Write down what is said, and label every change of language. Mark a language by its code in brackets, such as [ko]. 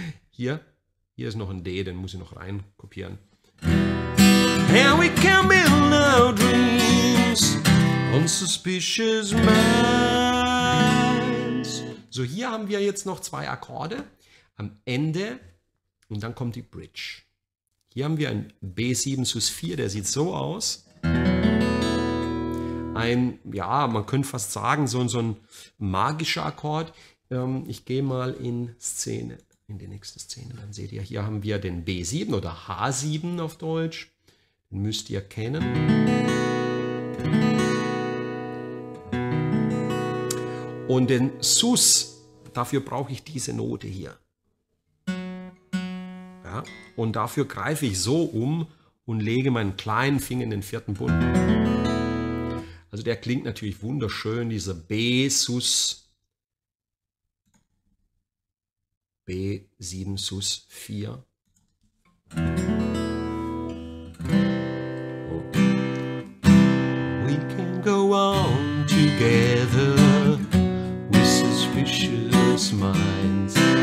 [de] Hier ist noch ein D, den muss ich noch rein kopieren. [en] Here we can build our dreams on suspicious minds. [de] So, hier haben wir jetzt noch zwei Akkorde am Ende und dann kommt die Bridge. Hier haben wir ein B7 sus 4, der sieht so aus. Ein, ja, man könnte fast sagen, so ein magischer Akkord. Ich gehe mal in Szene, in die nächste Szene. Dann seht ihr, hier haben wir den B7 oder H7 auf Deutsch. Den müsst ihr kennen. Und den Sus, dafür brauche ich diese Note hier. Ja, und dafür greife ich so um und lege meinen kleinen Finger in den vierten Bund. Also der klingt natürlich wunderschön, dieser B, Sus, B, 7, Sus, 4. [en] Oh. We can go on together with suspicious minds.